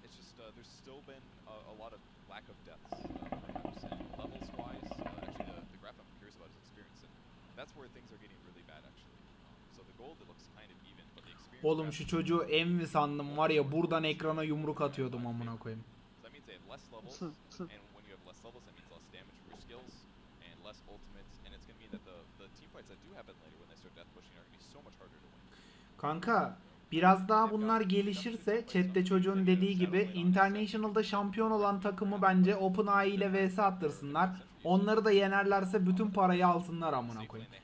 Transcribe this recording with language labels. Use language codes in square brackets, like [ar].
[en] It's just there's still been a lot of lack of depth. Levels wise, actually the graph I'm curious about is experience, and that's where things are getting really bad actually. So the gold it looks kind of even, but the experience. [tr] Oğlum şu çocuğu envy sandım var ya, buradan ekrana yumruk atıyordum amına koyayım. [en] That means they have less levels, and when you have less levels, that means less damage for skills and less ultimates, and it's going to mean that the team fights that do happen later when they start death pushing are going to be so much harder to win. [tr] Kanka. Biraz daha bunlar gelişirse chat'te çocuğun dediği gibi International'da şampiyon olan takımı bence OpenAI ile VS attırsınlar. Onları da yenerlerse bütün parayı alsınlar amına koyayım.